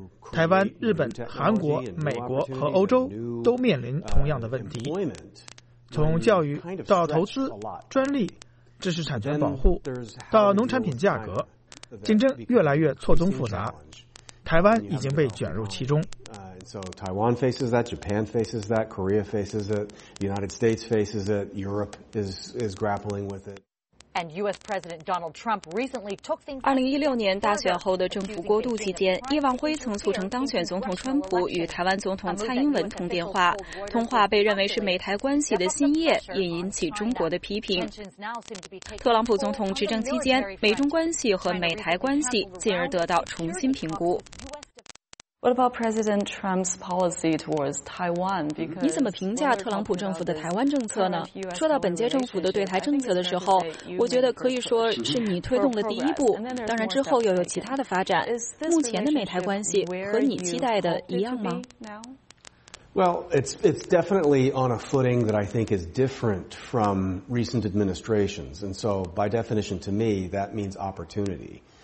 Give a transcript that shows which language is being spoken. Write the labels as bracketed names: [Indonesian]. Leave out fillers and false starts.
[Chinese] 台湾、日本、韩国、美国和欧洲都面临同样的问题。从教育到投资、专利、知识产权保护到农产品价格，竞争越来越错综复杂，台湾已经被卷入其中。 [English] So Taiwan faces that, Japan faces that, Korea faces it, the United States faces it, Europe is grappling with it. And U.S. President Donald Trump recently took things. [Chinese] 2016年大选后的政府过渡期间，叶望辉曾促成当选总统川普与台湾总统蔡英文通电话，通话被认为是美台关系的新页，也引起中国的批评。特朗普总统执政期间，美中关系和美台关系进而得到重新评估。 [English] What about President Trump's policy towards Taiwan? [Chinese] 你怎么评价特朗普政府的台湾政策呢？说到本届政府的对台政策的时候，我觉得可以说是你推动的第一步，当然之后又有其他的发展。目前的美台关系和你期待的一样吗？ [English] Well, it's definitely on a footing that I think is different from recent administrations. And so by definition to me, that means opportunity.